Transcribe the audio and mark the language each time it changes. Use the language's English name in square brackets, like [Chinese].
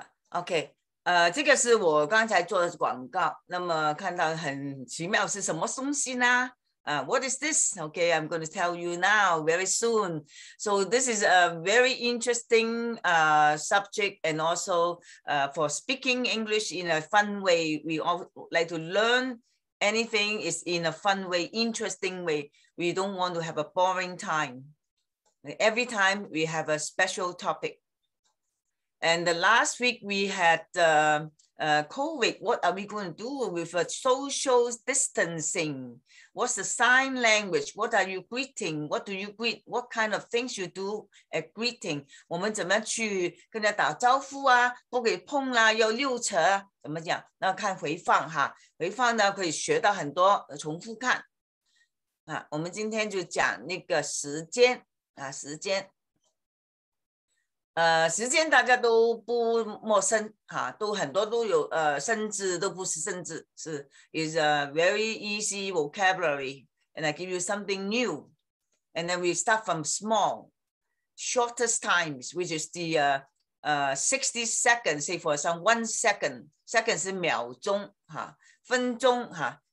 [Chinese] OK，这个是我刚才做的广告，那么看到很奇妙是什么东西呢？ [English] What is this? Okay, I'm going to tell you now, very soon. So this is a very interesting subject, and also for speaking English in a fun way. We all like to learn anything is in a fun way, interesting way. We don't want to have a boring time. Every time we have a special topic. And the last week we had COVID. What are we going to do with social distancing? What's the sign language? What are you greeting? What do you greet? What kind of things you do at greeting? [Chinese] 我们怎么去跟人家打招呼啊？不给碰啦，要溜车，怎么讲？那看回放哈，回放呢可以学到很多，重复看。我们今天就讲那个时间啊，时间。时间大家都不陌生哈，都很多都有生字都不是生字，是 [English] is a very easy vocabulary and I give you something new and then we start from small shortest times which is the 60 seconds say for example 1 second [Chinese] 是秒钟哈，分钟哈，